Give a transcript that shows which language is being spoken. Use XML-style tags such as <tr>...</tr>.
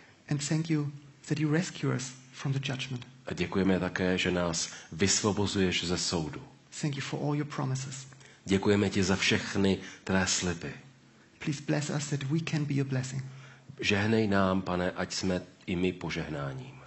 <en>And thank you that you rescue us from the judgment.</en> <cs>A děkujeme také, že nás vysvobozuješ ze soudu.</cs> <en>Thank you for all your promises.</en> <cs>Děkujeme ti za všechny tvé sliby.</cs> <en>Please bless us that we can be a blessing.</en> <cs>Žehnej nám, Pane, ať jsme i my požehnáním.</cs>